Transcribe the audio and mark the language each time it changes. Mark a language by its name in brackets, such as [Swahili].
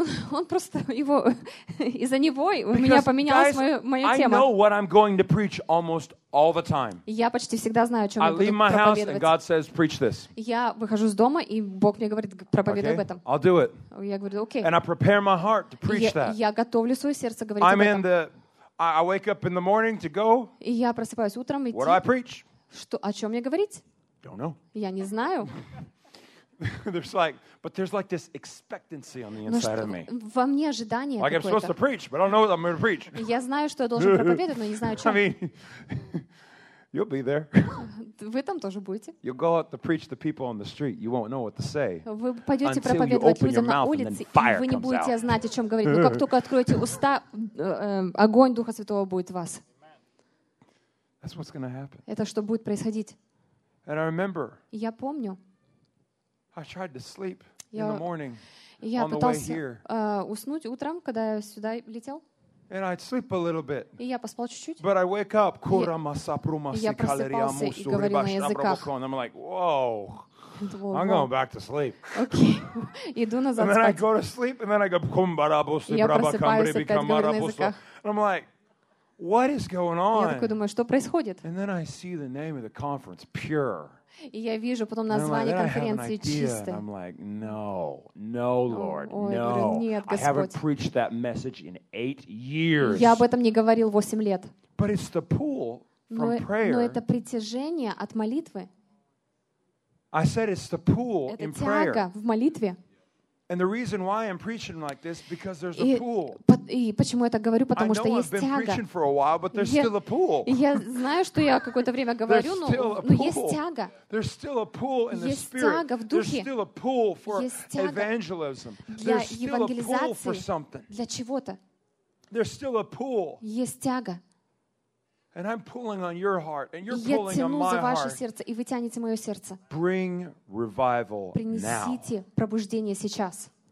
[Russian] Он просто его из-за него у меня поменялась моя тема. [English] I know what I'm going to preach almost all the time. [Russian] Я почти всегда знаю, о чем я буду проповедовать. [English] I leave my house and God says, preach this. [Russian] Я выхожу из дома и Бог мне говорит, проповедуй об этом. [English] I'll do it. [Russian] Я говорю, окей. [English] And I prepare my heart to preach that. [Russian] Я готовлю свое сердце говорить об этом. [English] I wake up in the morning to go. [Russian] И я просыпаюсь утром идти. [English] What do I preach? [Russian] Что, о чем мне говорить? [English] Don't know. [Russian] Я не знаю. [English] There's like this expectancy on the inside of me. [Russian] Во мне ожидание какое-то. [English] Like I'm supposed to preach, but I don't know what I'm going to preach. [Russian] Я знаю, что я должен проповедовать, но не знаю, о чем. [English] I mean, you'll be there. [Russian] Вы там тоже будете. [English] You'll go out to preach to people on the street. You won't know what to say. [Russian] Вы пойдете проповедовать людям на улице, и вы не будете знать, о чем говорить. Но как только откроете уста, огонь Духа Святого будет в вас. [English] That's what's going to happen. [Russian] Это что будет происходить? [English] And I remember. [Russian] Я помню. [English] I tried to sleep in the morning on the way here. [Russian] Уснуть утром, когда я сюда летел. [English] And I'd sleep a little bit. [Russian] И я поспал чуть-чуть. [English] But I wake up. [Russian] Я просыпался и говорил на языках. [English] And I'm like, whoa. I'm going back to sleep. [Russian] Окей. Иду назад спать. [English] And then I go to sleep. And then I go. [Russian] Я просыпаюсь и говорю на языках. [English] And I'm like. What is going on? [Russian] Я такой думаю, что происходит? [English] And then I see the name of the conference, Pure. [Russian] И я вижу потом название конференции Чистое. [English] I'm like, no, Lord, no. I haven't preached that message in 8 years. [Russian] Я об этом не говорил 8 лет. [English] But it's the pull from prayer. [Russian] Но это притяжение от молитвы. [English] I said it's the pull in prayer. [Russian] Это тяга в молитве. [English] And the reason why I'm preaching like this because there's a pool. [Russian] И почему я так говорю? Потому что есть тяга. [English] I know I've been preaching for a while, but there's still a pool. [Russian] Я знаю, что я какое-то время говорю, но есть тяга. [English] There's still a pool in the spirit. [Russian] Есть тяга в духе. [English] There's still a pool for evangelism. [Russian] Для евангелизации. Для чего-то. [English] There's still a pool. [Russian] Есть тяга. [English] And I'm pulling on your heart, and you're pulling on my heart. [Russian] Я тяну за ваше сердце, и вы тянете мое сердце. [English] Bring revival now. [Russian] Принесите пробуждение сейчас.